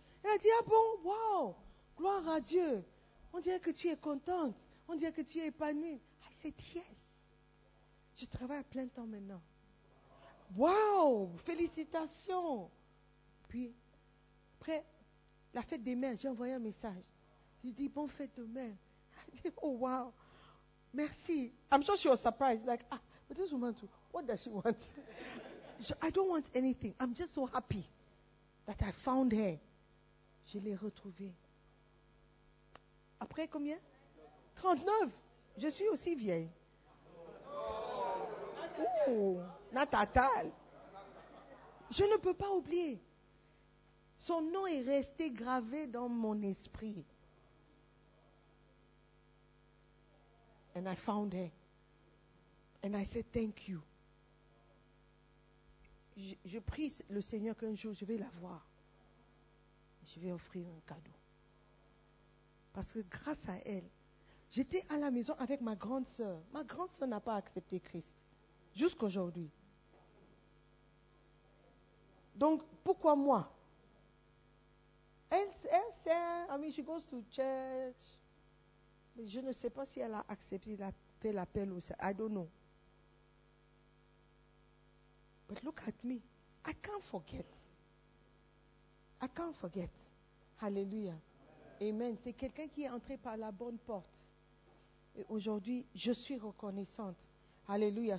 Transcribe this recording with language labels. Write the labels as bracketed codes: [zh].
[fr] Elle a dit, ah bon? Wow! Gloire à Dieu. On dirait que tu es contente. On dirait que tu es épanouie. Ah, c'est yes. Je travaille à plein temps maintenant. Wow! Félicitations! Puis, après la fête des mères, j'ai envoyé un message. Je dis, bon fête de mère. Elle dit, oh wow! Merci. [en] I'm sure she was surprised. Like, ah, but this woman too, what does she want? I don't want anything. I'm just so happy that I found her. [fr] Je l'ai retrouvée. Après combien? 39. Je suis aussi vieille. Natatal. Je ne peux pas oublier. Son nom est resté gravé dans mon esprit. [en] And I found her. And I said thank you. [fr] Je prie le Seigneur qu'un jour je vais la voir. Je vais offrir un cadeau. Parce que grâce à elle, j'étais à la maison avec ma grande sœur. Ma grande sœur n'a pas accepté Christ. Jusqu'aujourd'hui. Donc, pourquoi moi? Elle sait, [en] I mean, she goes to church. [fr] Mais je ne sais pas si elle a accepté, fait l'appel ou ça. [en] I don't know. But look at me. I can't forget. I can't forget. Hallelujah. Amen. [fr] C'est quelqu'un qui est entré par la bonne porte. Et aujourd'hui, je suis reconnaissante. Alléluia.